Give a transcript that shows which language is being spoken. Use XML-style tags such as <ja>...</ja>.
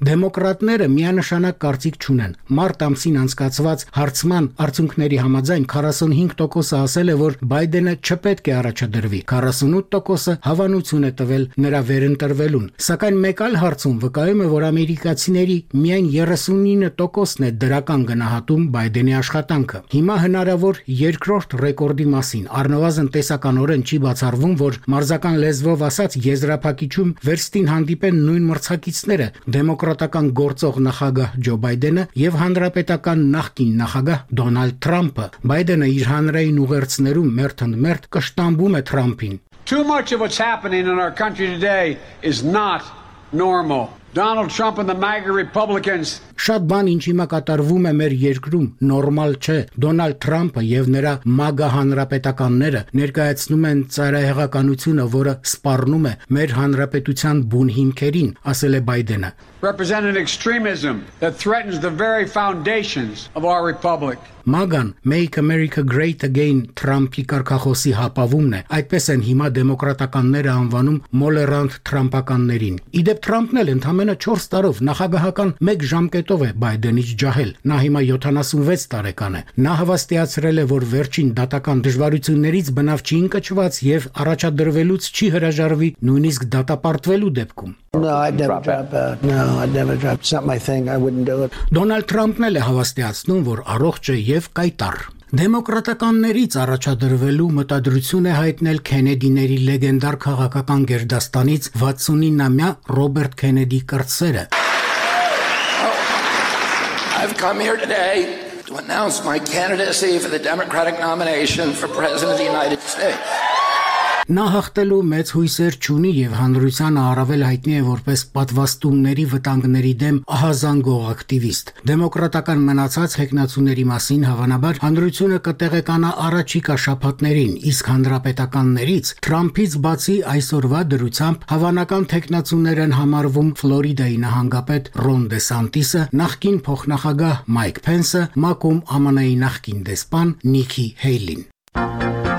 <hy>Դեմոկրատները միանշանակ կարծիք չունեն։ Մարտ ամսին անցկացված հարցման արդյունքների համաձայն 45% ասել է, որ Բայդենը չպետք է առաջադրվի, 48% հավանություն է տվել նրա վերընտրվելուն։ Սակայն մեկ այլ հարցում վկայում է, որ ամերիկացիների միայն 39%-ն է դրական գնահատում Բայդենի աշխատանքը։ Հիմա հնարավոր երկրորդ ռեկորդի մասին առնվազն տեսականորեն չի բացառվում, որ մարզական լեզվով ասած եզրափակիչում վերստին հանդիպեն նույն մրցակիցները՝ դեմոկրատական գործող նախագահ Ջո Բայդենը և հանրապետական նախկին նախագահ Դոնալդ Թրամփը։ Բայդենը իր հանրային ուղերձներում մերթ ընդ մերթ կշտամբում է Թրամփին.</hy> <en>Too much of what's happening in our country today is not normal. Donald Trump and the MAGA Republicans.</en> <hy>Շատ բան, ինչ հիմա կատարվում է մեր երկրում, նորմալ չէ։ Դոնալդ Թրամփը եւ նրա MAGA հանրապետականները ներկայացնում են ծայրահեղականությունը, որը սպառնում է մեր հանրապետության բուն հիմքերին, ասել է Բայդենը։</hy> <en>Represent an extremism that threatens the very foundations of our republic.</en> <hy>MAGA-ն</hy> <en>Make America Great Again</en> <hy>Թրամփի կարկախոսի հապավումն է, այդպես են հիմա դեմոկրատականները անվանում մոլերանտ թրամփականներին։ Իդեպ Թրամփն էլ ընդամենը 4 տարով նախագահական 1 ժամկետով է Բայդենից ջահել։ Նա հիմա 76 տարեկան է։ Նա հավաստիացրել է, որ վերջին դատական դժվարություններից բնավ չի ընկճված եւ առաջադրվելուց չի հրաժարվի նույնիսկ դատապարտվելու դեպքում։</hy> <en>No, I don't drop out. No. I'd never drop. It's not my thing. I wouldn't do it.</en> <hy>Donald Trump նել է հավաստիացնում, որ առողջը և կայտար։ Դեմոկրատականներից առաջադրվելու մտադրություն է հայտնել Քենեդիների լեգենդար քաղաքական գերդաստանից 69-ամյա Ռոբերտ Քենեդի կրտսերը։</hy> <en>I've come here today to announce my candidacy for the Democratic nomination for President of the United States.</en> <hy>Նա հաղթելու մեծ հույսեր չունի եւ հանրությանը առավել հայտնի է որպես պատվաստումների վտանգների դեմ ահազանգող ակտիվիստ։ Դեմոկրատական մնացած հեկնացուների մասին հավանաբար հանրությունը կտեղեկանա առաջիկա շաբաթներին, իսկ հանրապետականներից Թրամփից բացի այսօրվա դրությամբ հավանական հեկնացուներ են համարվում Ֆլորիդայի նահանգապետ Ռոն Դեսանտիսը, նախկին փոխնախագահ Մայք Փենսը, մակում ԱՄՆ-ի նախկին դեսպան Նիքի Հեյլին։</hy>